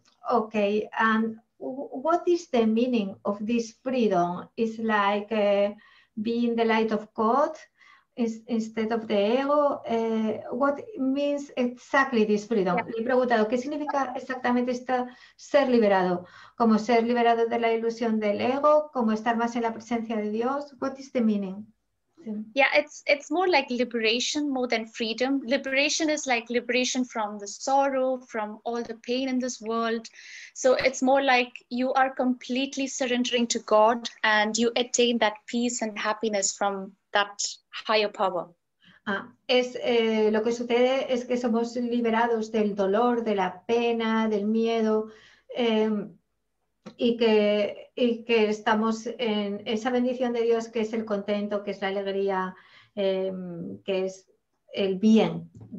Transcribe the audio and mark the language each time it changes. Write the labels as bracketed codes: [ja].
[en] Okay, and what is the meaning of this freedom? It's like being the light of God instead of the ego. What means exactly this freedom? [es] Yeah. Le he preguntado, ¿qué significa exactamente esta ser liberado? ¿Como ser liberado de la ilusión del ego? ¿Como estar más en la presencia de Dios? [en] What is the meaning? Yeah, it's more like liberation more than freedom. Liberation is like liberation from the sorrow, from all the pain in this world. So it's more like you are completely surrendering to God and you attain that peace and happiness from that higher power. [es] Lo que sucede es que somos liberados del dolor, de la pena, del miedo. Y que estamos en esa bendición de Dios que es el contento, que es la alegría, que es el bien.